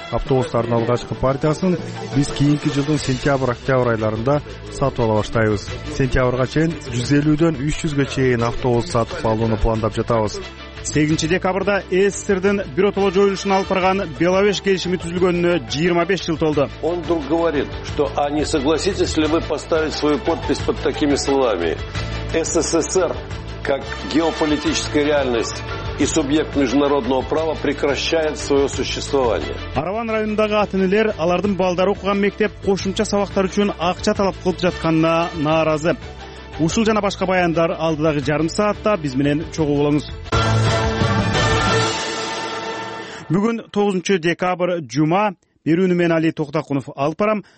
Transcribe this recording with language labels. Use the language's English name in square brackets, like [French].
[Kyrgyz] Автобустардын алгачкы партиясын биз кийинки жылдын сентябрь-октябрь айларында сатып ала баштайбыз. Сентябрга чейин 150-дөн 300-гө чейин автобус сатып алууну пландап жатабыз. 8 декабрда СССРдин биротоло жоюлушуна алып барган Беловеш келишими түзүлгөнүнө 25 жыл толду. [Russian] Он вдруг говорит, что а не согласитесь ли вы поставить свою подпись под такими словами: СССР как геополитическая реальность и субъект международного права прекращает свое существование. [Kyrgyz] Араван районундагы ата-энелер алардын балдары окуган мектеп кошумча сабактар үчүн акча талап кылып жатканына нааразы. Ушул жана башка баяндар алдыдагы жарым саатта биз менен чогуу болуңуз. Бүгүн 9 декабрь жума. Берүүнү мен Али Токтокунов алып барам.